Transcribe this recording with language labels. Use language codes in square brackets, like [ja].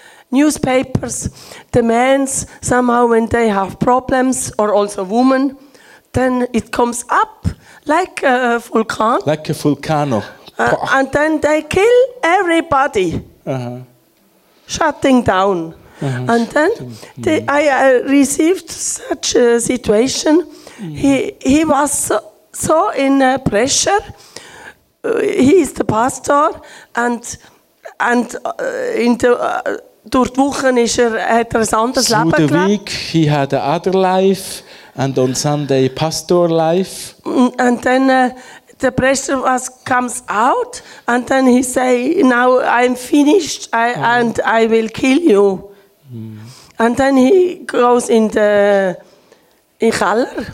[en] Newspapers, the men somehow when they have problems, or also women, then it comes up like a vulcan. Like a volcano. And then they kill everybody. Shutting down. And then I received such a situation. He was so in pressure. He is the pastor, and in the [de] durch die Wochen hat er ein anderes Leben gelebt. [en] Through the week he had a other life and on Sunday pastor life. And then the pressure was comes out and then he say, now I'm finished and I will kill you. And then he goes in the Keller.